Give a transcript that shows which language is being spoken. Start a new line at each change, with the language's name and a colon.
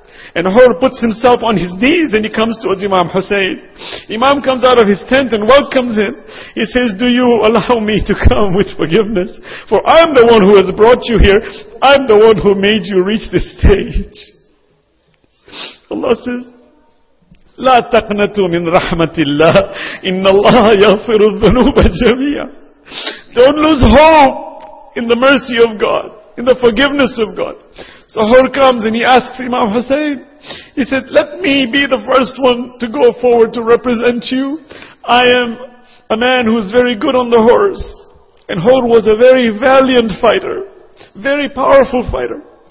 English: And Hur puts himself on his knees and he comes towards Imam Hussein. Imam comes out of his tent and welcomes him. He says, do you allow me to come with forgiveness? For I'm the one who has brought you here. I'm the one who made you reach this stage. Allah says,
Arabic: لا تقنطوا من رحمة الله إن الله يغفر الذنوب جميعا.
English: Don't lose hope in the mercy of God, in the forgiveness of God. So Hur comes and he asks Imam Hussein. He said, let me be the first one to go forward to represent you. I am a man who is very good on the horse. And Hur was a very valiant fighter, very powerful fighter.